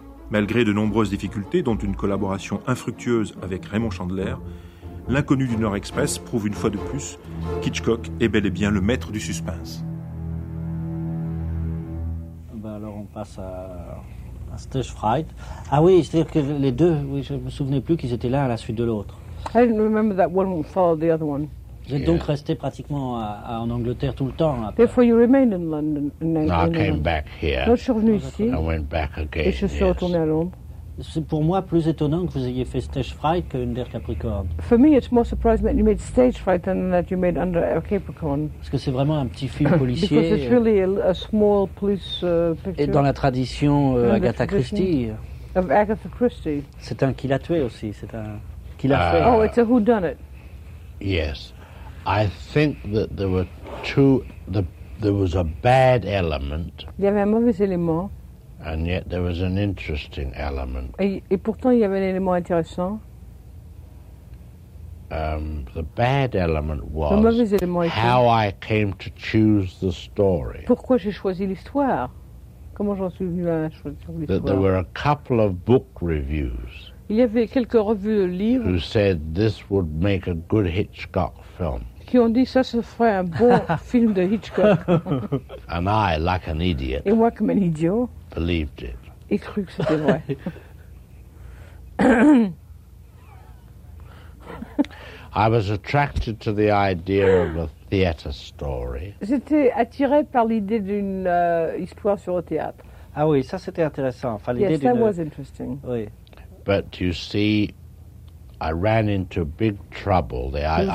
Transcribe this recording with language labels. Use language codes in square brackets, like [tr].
[fr] Malgré de nombreuses difficultés, dont une collaboration infructueuse avec Raymond Chandler, L'Inconnu du Nord Express prouve une fois de plus qu'Hitchcock est bel et bien le maître du suspense. Ben alors on passe à Stage Fright. Ah oui, c'est-à-dire que les deux, oui, je ne me souvenais plus qu'ils étaient l'un à la suite de l'autre. [en] I didn't remember that one followed the other one. [fr] Vous êtes donc resté pratiquement en Angleterre tout le temps. Après. [en] Therefore, you remained in London. No, I came back here. [fr] Donc, je suis revenu ici. [en] I went back again. [fr] Et je suis retourné à Londres. C'est pour moi plus étonnant que vous ayez fait Stage Fright que Under Capricorn. [en] For me, it's more surprising that you made Stage Fright than that you made Under Capricorn. [fr] Parce que c'est vraiment un petit film policier. [en] Because it's really a small police picture. [fr] Et dans la tradition Agatha Christie. [en] Of Agatha Christie. [fr] C'est un qui l'a tué aussi. C'est un qui l'a fait. [en] Oh, it's a whodunit. Yes. I think that there were two. There was a bad element. [fr] Il y avait un mauvais élément. [en] And yet there was an interesting element. [fr] Et pourtant il y avait un élément intéressant. [en] The bad element was. [fr] Le mauvais élément était. [en] How I came to choose the story. [fr] Pourquoi j'ai choisi l'histoire? Comment j'en suis venu à choisir l'histoire? [en] That there were a couple of book reviews. [fr] Il y avait quelques revues de livres. [en] Who said this would make a good Hitchcock film? [fr] Qui ont dit ça se ferait un bon film de Hitchcock. [en] And I, like an idiot. [fr] Et moi comme un idiot. [en] Believed it. [fr] Il crut que c'était vrai. [en] I was attracted to the idea of a theater story. [fr] J'étais attiré par l'idée d'une histoire sur le théâtre. Ah oui, ça c'était intéressant. Enfin, [en] yes, that was interesting. [fr] Oui. [en] But you see, I ran into big trouble there.